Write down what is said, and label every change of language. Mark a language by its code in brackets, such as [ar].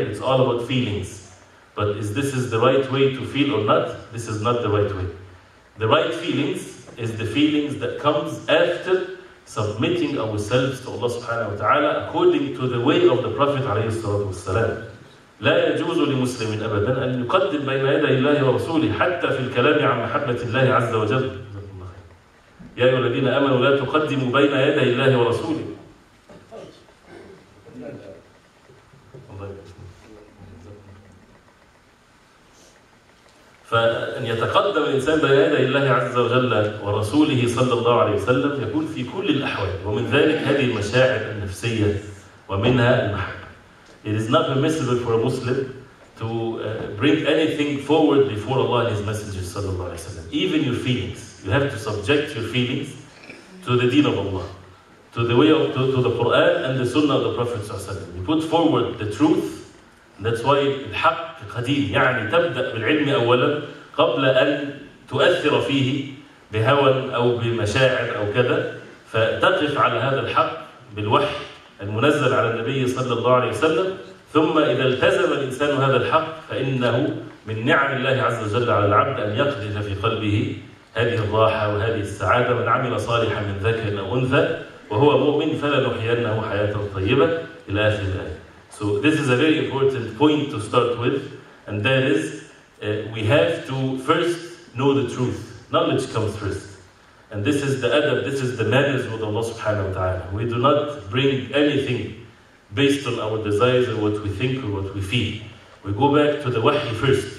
[en] It's all about feelings. But is this is the right way to feel or not? This is not the right way. The right feelings is the feelings that comes after submitting ourselves to Allah subhanahu wa ta'ala according to the way of the Prophet عليه الصلاة والسلام. [ar] لا يجوز لمسلم أبدا أن يقدم بين يدي الله ورسوله حتى في الكلام عن محبة الله عز وجل. يا أيها الذين آمنوا لا تقدموا بين يدي الله ورسوله. فأن يتقدم الإنسان بين يدي الله عز وجل ورسوله صلى الله عليه وسلم يكون في كل الأحوال, ومن ذلك هذه المشاعر النفسية ومنها المحبة. It is not permissible for a Muslim to bring anything forward before Allah and His Messenger صلى الله عليه وسلم. Even your feelings, you have to subject your feelings to the Deen of Allah, to the way of to the Quran and the Sunnah of the Prophet صلى الله عليه وسلم. You put forward the truth. [en] That's why [ar] الحق قديم, يعني تبدأ بالعلم أولا قبل أن تؤثر فيه بهوى أو بمشاعر أو كذا, فتقف على هذا الحق بالوحي المنزل على النبي صلى الله عليه وسلم. ثم إذا التزم الإنسان هذا الحق فإنه من نعم الله عز وجل على العبد أن يقذف في قلبه هذه الراحة وهذه السعادة. من عمل صالحا من ذكر أو أنثى وهو مؤمن فلنحيينه حياة طيبة إلى آخر الآية. [en] So this is a very important point to start with, and that is we have to first know the truth. Knowledge comes first. And this is the adab, this is the manners with Allah subhanahu wa ta'ala. We do not bring anything based on our desires or what we think or what we feel. We go back to the wahi first.